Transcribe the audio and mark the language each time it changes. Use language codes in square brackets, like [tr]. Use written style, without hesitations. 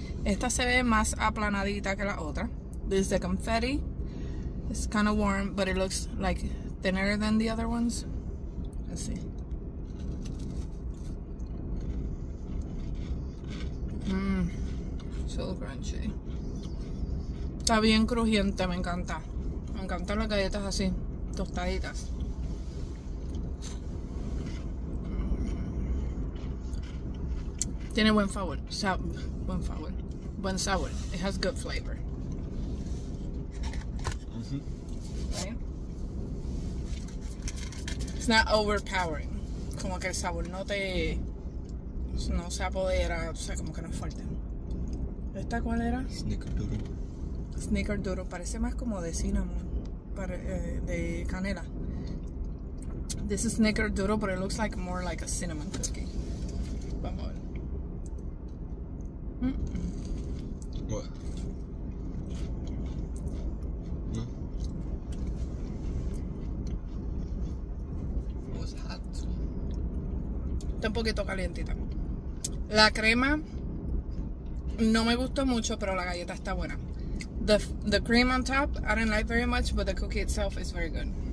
[es] Esta se ve más aplanadita que la otra. [en] This is the confetti. It's kind of warm, but it looks like thinner than the other ones. Let's see. [es] Mmm, [en] so crunchy. [es] Está bien crujiente, me encanta. Me encantan las galletas así, tostaditas. Tiene buen sabor. Buen sabor. [en] It has good flavor. Uh-huh. Right? It's not overpowering. [es] Como que el sabor no te. No se apodera, o sea, como que no es fuerte. ¿Esta cuál era? [en] Snickerdoodle. [es] Snickerdoodle, parece más como de cinnamon, de canela. [en] This is Snickerdoodle, but it looks like more like a cinnamon cookie. [es] Vamos a ver. [en] Mm-mm. What? No. It was hot. [es] Está un poquito calientita. La crema no me gustó mucho, pero la galleta está buena. [en] The cream on top, I don't like very much, but the cookie itself is very good.